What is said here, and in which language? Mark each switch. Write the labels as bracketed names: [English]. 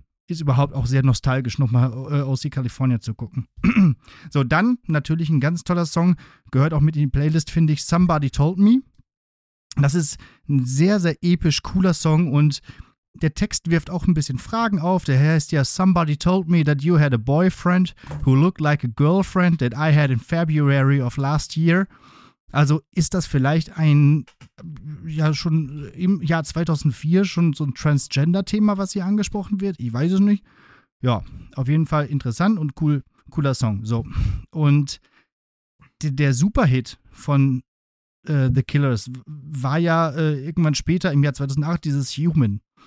[German] Ist überhaupt auch sehr nostalgisch, nochmal OC California zu gucken. So, dann natürlich ein ganz toller Song, gehört auch mit in die Playlist, finde ich, Somebody Told Me. Das ist ein sehr, sehr episch cooler Song und der Text wirft auch ein bisschen Fragen auf. Der heißt ja, [English] Somebody told me that you had a boyfriend who looked like a girlfriend that I had in February of last year. [German] Also ist das vielleicht ein, ja schon im Jahr 2004 schon so ein Transgender-Thema, was hier angesprochen wird? Ich weiß es nicht. Ja, auf jeden Fall interessant und cool, cooler Song. So. Und der Superhit von The Killers war ja irgendwann später im Jahr 2008 dieses Human.